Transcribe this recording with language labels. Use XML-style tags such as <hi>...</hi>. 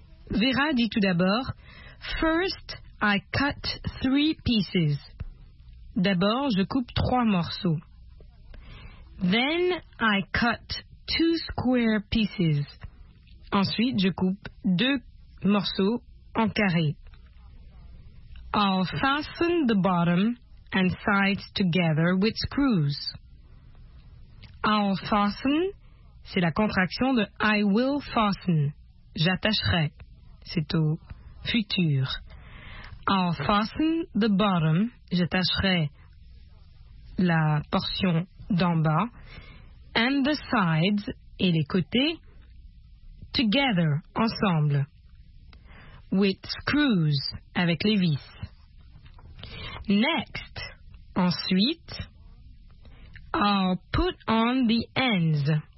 <en>Vera</en> <fr>dit tout d'abord,</fr> <en>First, I cut 3 pieces.</en> <fr>D'abord, je coupe 3 morceaux.</fr> <en>Then, I cut 2 square pieces.</en> <fr>Ensuite, je coupe 2 morceaux en carré.</fr> <en>I'll fasten the bottom and sides together with screws.</en> <fr>I'll fasten, c'est la contraction de</fr> <en>I will fasten,</en> <fr>j'attacherai, c'est au futur.</fr> <en>I'll fasten the bottom,</en> <fr>j'attacherai la portion d'en bas,</fr> <en>and the sides,</en> <fr>et les côtés,</fr> <en>together,</en> <fr>ensemble,</fr> <en>with screws,</en> <fr>avec les vis.</fr> <en>Next,</en> <fr>ensuite,</fr> <en>I'll put on the ends.</en>